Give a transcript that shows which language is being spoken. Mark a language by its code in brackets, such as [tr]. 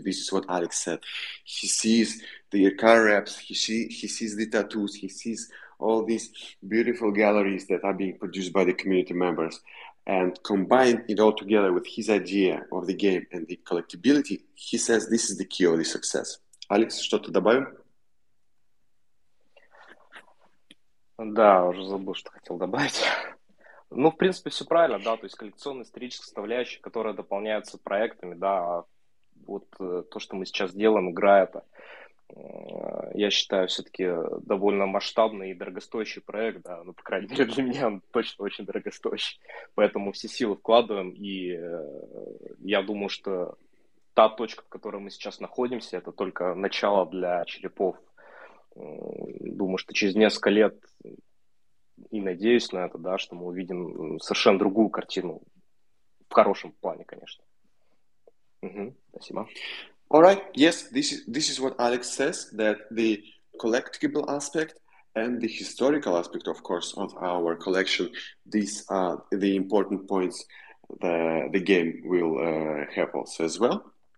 [en] This is what Alex said. He sees the car wraps, he sees the tattoos, he sees all these beautiful galleries that are being produced by the community members. And combine it all together with his idea of the game and the collectibility, he says this is the key of the success. [ru] Alex, что-то добавим? Да, уже забыл, что хотел добавить. Ну, в принципе, все правильно, да, то есть коллекционная историческая составляющая, которая дополняется проектами, да, вот то, что мы сейчас делаем, игра это, я считаю, все-таки довольно масштабный и дорогостоящий проект, да, ну, по крайней мере, для меня он точно очень дорогостоящий, поэтому все силы вкладываем, и я думаю, что та точка, в которой мы сейчас находимся, это только начало для черепов. Думаю, что через несколько лет, и надеюсь на это, да, что мы увидим совершенно другую картину, в хорошем плане, конечно. Угу, спасибо. [en] All right, yes, this is what Alex says, that the collectible aspect and the historical aspect, of course, of our collection, these are the important points the game will have also as well.